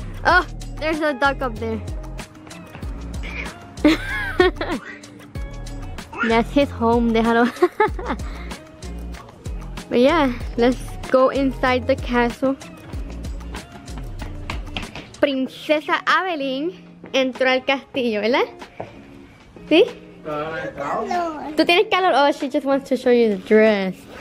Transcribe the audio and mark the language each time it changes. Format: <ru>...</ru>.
<en>Oh, there's a duck up there. That's his home,</en> <es>déjalo.</es> <en>But yeah, let's go inside the castle.</en> <es>Princesa Avelyn entró al castillo, ¿verdad? ¿Sí? Calor. ¿Tú tienes calor?</es> <en>Oh, she just wants to show you the dress.</en>